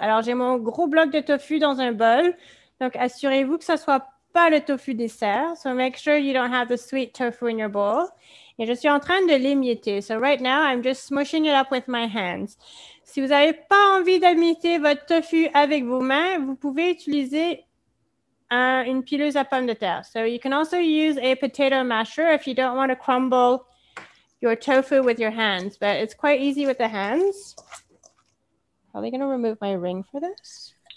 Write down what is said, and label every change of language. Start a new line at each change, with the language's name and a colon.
French: Alors, j'ai mon gros bloc de tofu dans un bol. Donc, assurez-vous que ça ne soit pas le tofu dessert.
English: So, make sure you don't have the sweet tofu in your bowl.
French: Et je suis en train de l'émietter.
English: So, right now, I'm just smushing it up with my hands.
French: Si vous n'avez pas envie d'émietter votre tofu avec vos mains, vous pouvez utiliser une pileuse à pommes de terre.
English: So, you can also use a potato masher if you don't want to crumble your tofu with your hands, but it's quite easy with the hands. probably going to remove my ring for this.